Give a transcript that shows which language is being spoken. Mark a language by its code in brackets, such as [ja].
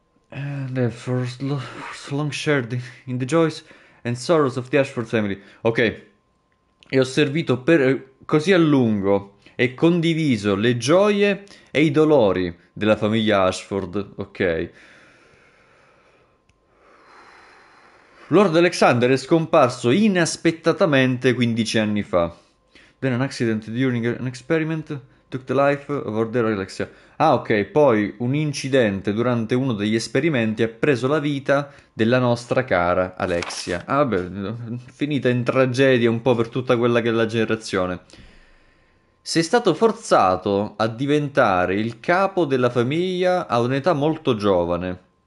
[en] And for so long shared in the joys and sorrows of the Ashford family. Ok. [it] E ho servito per così a lungo e condiviso le gioie e i dolori della famiglia Ashford. Ok. Lord Alexander è scomparso inaspettatamente 15 anni fa. [en] Then an accident during an experiment took the life of Order Alexia. [it] Ah, ok, poi un incidente durante uno degli esperimenti ha preso la vita della nostra cara Alexia. Ah, vabbè, finita in tragedia un po' per tutta quella che è la generazione. Sei stato forzato a diventare il capo della famiglia a un'età molto giovane.